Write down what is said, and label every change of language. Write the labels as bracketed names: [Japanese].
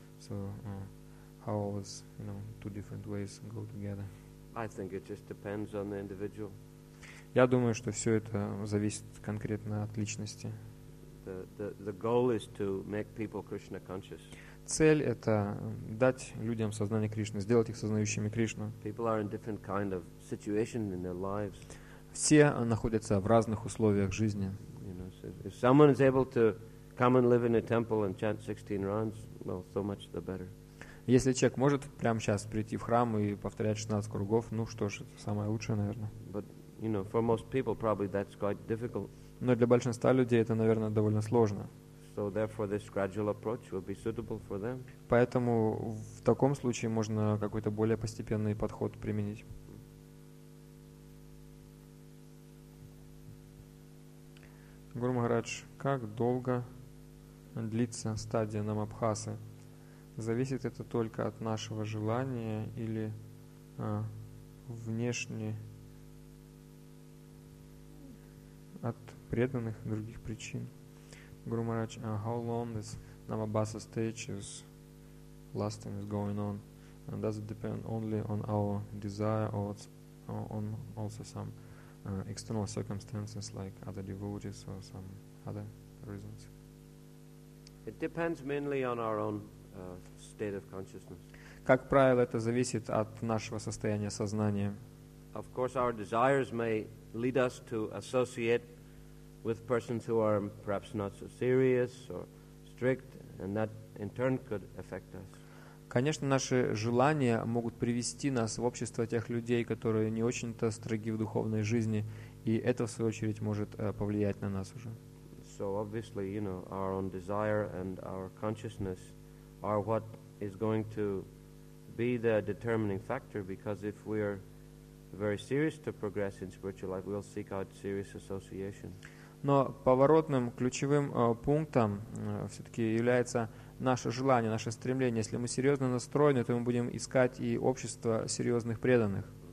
[English] So how all these, you know, two different ways go together? I think it just depends on the individual. [Russian] Я думаю, что все это зависит конкретно от личности. [English] The goal is to make people Krishna conscious. [Russian] Цель — это дать людям сознание Кришны, сделать их сознающими Кришну. [English] People are in different kind of situation in their lives. [Russian] Все находятся в разных условиях жизни. [English] You know, so if someone is able to come and live in a temple and chant 16 rounds, well, so much the better. [Russian] Если человек может прямо сейчас прийти в храм и повторять 16 кругов, ну что ж, это самое лучшее, наверное. [English] But, you know, for most people, probably that's quite difficult. [Russian] Но для большинства людей это, наверное, довольно сложно. [English] So therefore this gradual approach will be suitable for them. [Russian] Поэтому в таком случае можно какой-то более постепенный подход применить. Гуру Махарадж, как долго длится стадия намабхасы? Зависит это только от нашего желания или внешне от преданных других причин? [English] Guru Maharaj, how long this Namabhasa stage is lasting, is going on? And does it depend only on our desire or on also some external circumstances like other devotees or some other reasons? It depends mainly on our own state of consciousness. [Russian] Как правило, это зависит от нашего состояния сознания. [English] Of course, our desires may lead us to associate with persons who are perhaps not so serious or strict, and that in turn could affect us. [Russian] Конечно, наши желания могут привести нас в общество тех людей, которые не очень-то строги в духовной жизни, и это в свою очередь может повлиять на нас уже. [English] So obviously, you know, our own desire and our consciousness are what is going to be the determining factor, because if we are very serious to progress in spiritual life, we'll seek out serious association. [Russian] Но поворотным, ключевым пунктом все-таки является наше желание, наше стремление. Если мы серьезно настроены, то мы будем искать и общество серьезных преданных.